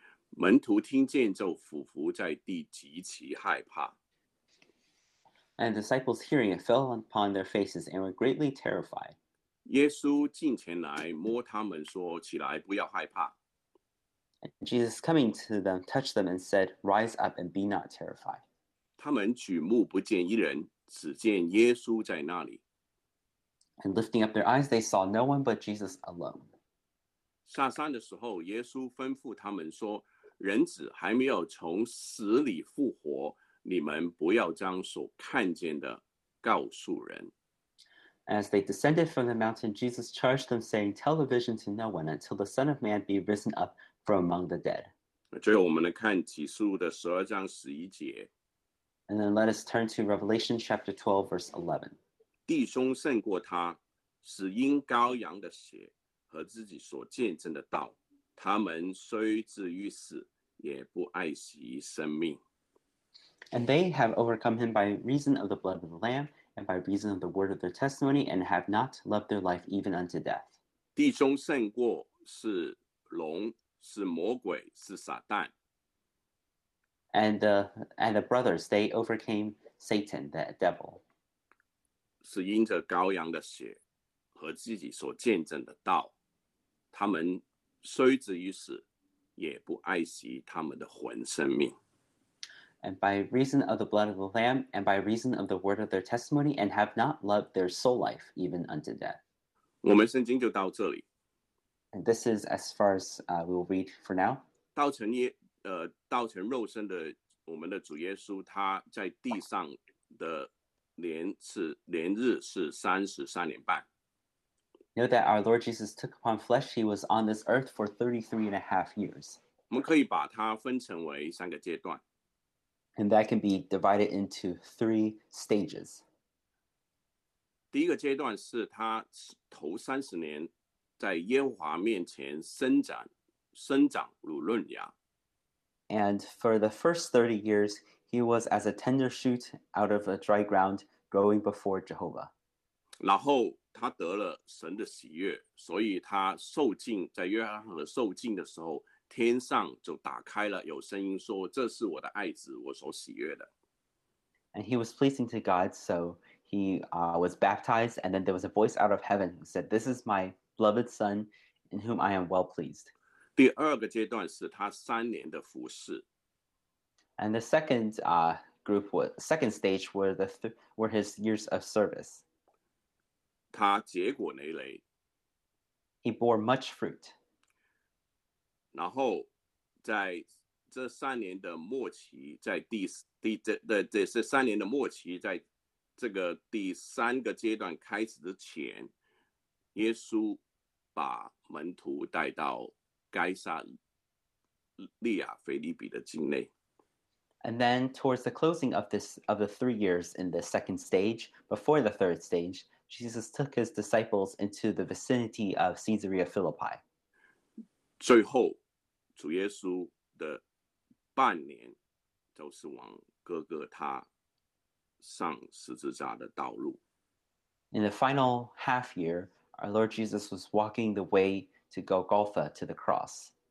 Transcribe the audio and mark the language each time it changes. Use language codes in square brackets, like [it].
[zh] 门徒听见就俯伏在地，极其害怕。 [en] And disciples hearing it fell upon their faces and were greatly terrified. [zh] 耶稣近前来摸他们说，起来，不要害怕。 [en] And Jesus coming to them, touched them and said, Rise up and be not terrified. [zh] 他们举目不见一人。只见耶稣在那里。 [en] And lifting up their eyes, they saw no one but Jesus alone. [zh] 下山的时候，耶稣吩咐他们说，人子还没有从死里复活，你们不要将所看见的告诉人。 [en] As they descended from the mountain, Jesus charged them, saying, Tell the vision to no one until the Son of Man be risen up from among the dead. [zh] 最后，我们来看启示录的十二章十一节。 [en] And then let us turn to Revelation chapter 12, verse 11. [zh] 弟兄胜过他，是因羔羊的血和自己所见证的道。他们虽至于死，也不爱惜生命。 [en] And they have overcome him by reason of the blood of the Lamb, and by reason of the word of their testimony, and have not loved their life even unto death. [zh] 弟兄胜过是龙，是魔鬼，是撒旦。 [en] And the brothers, they overcame Satan, the devil. [zh] 是因着羔羊的血和自己所见证的道，他们虽至于死，也不爱惜他们的魂生命。 [en] And by reason of the blood of the Lamb, and by reason of the word of their testimony, and have not loved their soul life even unto death. [zh] 我们圣经就到这里。 [en] And this is as far as we will read for now. [zh] 道成肉身的我们的主耶稣，他在地上的年日是33.5 [en] years. Know that our Lord Jesus took upon flesh, he was on this earth for 33.5 years. [zh] 我们可以把它分成为三个阶段。 [en] And that can be divided into three stages. [zh] 第一个阶段是他头30 [en] years [zh] 在耶和华面前生长如嫩芽。 [en] And for the first 30 years, he was as a tender shoot out of a dry ground growing before Jehovah. [zh] 然后他得了神的喜悦，所以他受浸，在约翰和受浸的时候，天上就打开了，有声音说，这是我的爱子，我所喜悦的。 [en] And he was pleasing to God, so he was baptized, and then there was a voice out of heaven who said, this is my beloved son in whom I am well pleased. [zh] 第二个阶段是他3 [en] years [zh] 的服事。 [en] And the second group, was, second stage were, the th- were his years of service. [zh] 他结果累累。 [en] He bore much fruit. [zh] 然后在这3 [en] years [zh] 的末期，在这三年的末期，在这个第三个阶段开始之前，耶稣把门徒带到该撒利亚腓立比的境内。 [en] And then towards the closing of this of the 3 years in the second stage, before the third stage, Jesus took his disciples into the vicinity of Caesarea Philippi. [zh] 最后主耶稣的半年都是往哥哥他上十字架的道路。 [en] In the final half year, our Lord Jesus was walking the way to Golgotha to the cross.